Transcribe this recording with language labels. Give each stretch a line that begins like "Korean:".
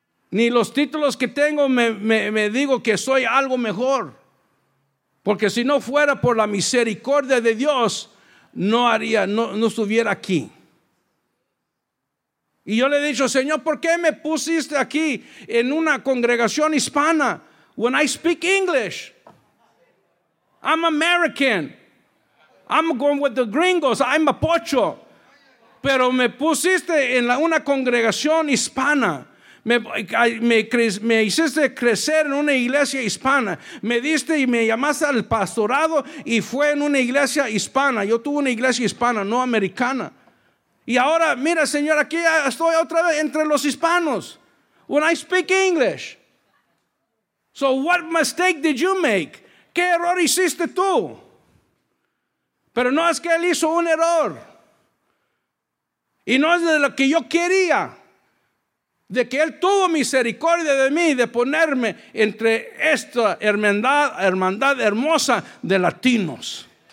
Spanish: Ni los títulos que tengo me digo que soy algo mejor. Porque si no fuera por la misericordia de Dios, no estuviera aquí. Y yo le he dicho, Señor, ¿por qué me pusiste aquí en una congregación hispana?
English: When I speak English, I'm American. I'm going with the gringos. I'm a pocho.
Spanish: Pero me pusiste en una congregación hispana. Me hiciste crecer en una iglesia hispana. Me diste y me llamaste al pastorado y fue en una iglesia hispana. Yo tuve una iglesia hispana, no americana. Y ahora, mira, Señor, aquí estoy otra vez entre los hispanos.
English: When I speak English. So what mistake did you make?
Spanish: ¿Qué error hiciste tú? Pero no es que él hizo un error. Y no es de lo que yo quería. De que él tuvo misericordia de mí, de ponerme entre esta hermandad hermosa de latinos.